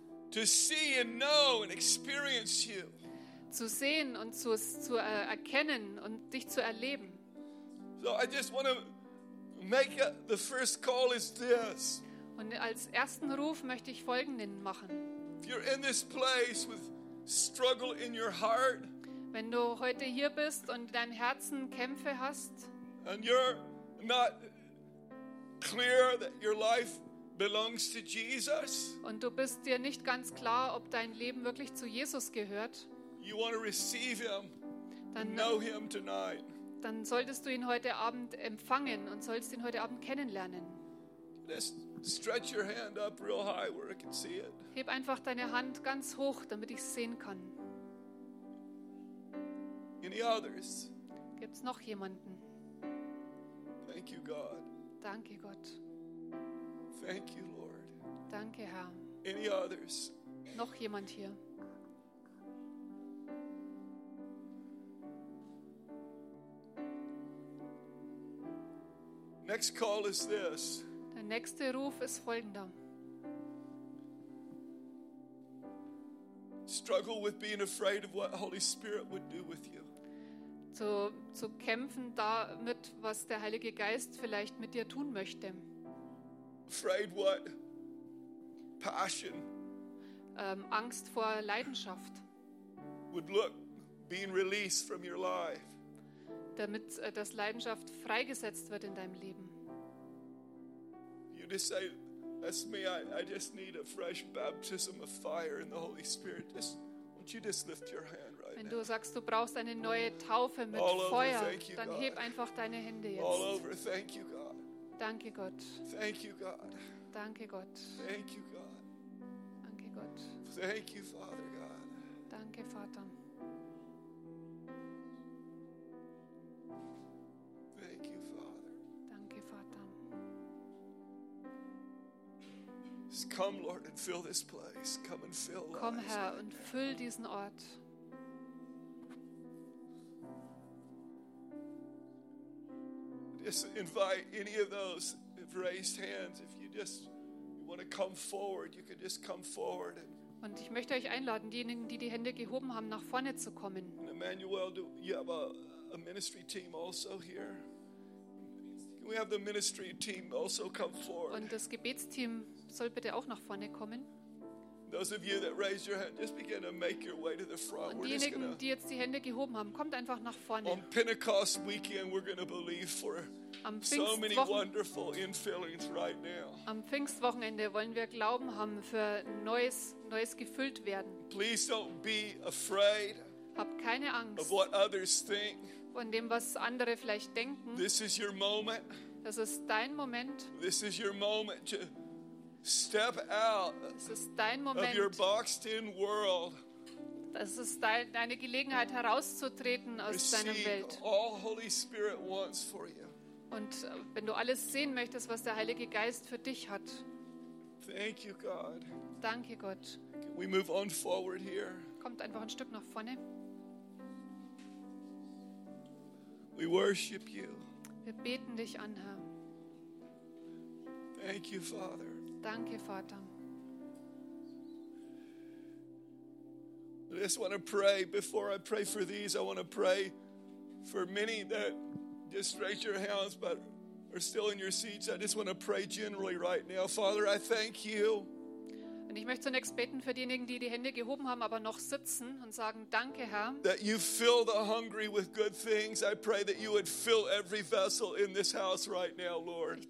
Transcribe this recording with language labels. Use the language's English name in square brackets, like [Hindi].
[English] To see and know and experience you. [German] Zu sehen und zu erkennen und dich zu erleben. [English] So I just want to make the first call is this. [German] Und als ersten Ruf möchte ich folgenden machen. [English] If you're in this place with struggle in your heart. [German] Wenn du heute hier bist und in deinem Herzen Kämpfe hast. [English] And you're not clear that your life belongs to Jesus. [German] Und du bist dir nicht ganz klar, ob dein Leben wirklich zu Jesus gehört. [English] You want to receive him, know him tonight. [German] Dann solltest du ihn heute Abend empfangen und sollst ihn heute Abend kennenlernen. [English] Just stretch your hand up real high where I can see it. [German] Heb einfach deine Hand ganz hoch, damit ich es sehen kann. [English] Any others? [German] Gibt's noch jemanden? [English] Thank you, God. [German] Danke, Gott. [English] Thank you, Lord. [German] Danke, Herr. [English] Any others? [German] Noch jemand hier? [English] Next call is this. [German] Der nächste Ruf ist folgender. [English] Struggle with being afraid of what Holy Spirit would do with you. [German] Zu kämpfen damit, was der Heilige Geist vielleicht mit dir tun möchte. [English] Afraid what? Passion. [German] Angst vor Leidenschaft. [English] Would look being released from your life. [German] Damit das Leidenschaft freigesetzt wird in deinem Leben. [English] You just say, "That's me. I just need a fresh baptism of fire in the Holy Spirit." Just, won't you just lift your hand right now? [German] Wenn du sagst, du brauchst eine neue Taufe mit [English] All [German] Feuer, [English] over, thank you, [German] dann [English] God. [German] Heb einfach deine Hände jetzt. [English] All over, thank you, God. [German] Danke Gott. [English] Thank you, God. [German] Danke Gott. [English] Thank you, God. [German] Danke Gott. [English] Thank you, Father God. [German] Danke Vater. [English] Thank you, Father. [German] Danke Vater. [English] Just come, Lord, and fill this place. Come and fill. [German] Komm Herr und füll diesen Ort. [English] Just invite any of those who've raised hands if you just want to come forward, you can just come forward. [German] Und ich möchte euch einladen, diejenigen, die die Hände gehoben haben, nach vorne zu kommen. [English] And Emmanuel, do you have a ministry team also here? Can we have the ministry team also come forward? [German] Und das Gebetsteam soll bitte auch nach vorne kommen. [English] Those of you that raise your hand, just begin to make your way to the front. [German] Und diejenigen, die jetzt die Hände gehoben haben, kommt einfach nach vorne. [English] On Pentecost weekend, we're going to believe for so many wonderful infillings right now. [German] Am Pfingstwochenende wollen wir Glauben haben für neues gefüllt werden. [English] Please don't be afraid. [German] Hab keine Angst. [English] Of what others think. [German] Von dem, was andere vielleicht denken. [English] This is your moment. [German] Das ist dein Moment. [English] This is your moment to step out of your boxed-in world. [German] Das ist deine Gelegenheit, herauszutreten aus deiner Welt. [English] Receive all Holy Spirit wants for you. [German] Und wenn du alles sehen möchtest, was der Heilige Geist für dich hat. [English] Thank you, God. [German] Danke, Gott. [English] Can we move on forward here? [German] Kommt einfach ein Stück nach vorne. [English] We worship you. [German] Wir beten dich an, Herr. [English] Thank you, Father. [German] Danke, Vater. [English] I just want to pray, before I pray for these, I want to pray for many that just raise your hands but are still in your seats. I just want to pray generally right now. Father, I thank you. [German] Und ich möchte zunächst beten für diejenigen, die die Hände gehoben haben, aber noch sitzen und sagen, danke, Herr. [English] That you fill the hungry with good things. I pray that you would fill every vessel in this house right now, Lord.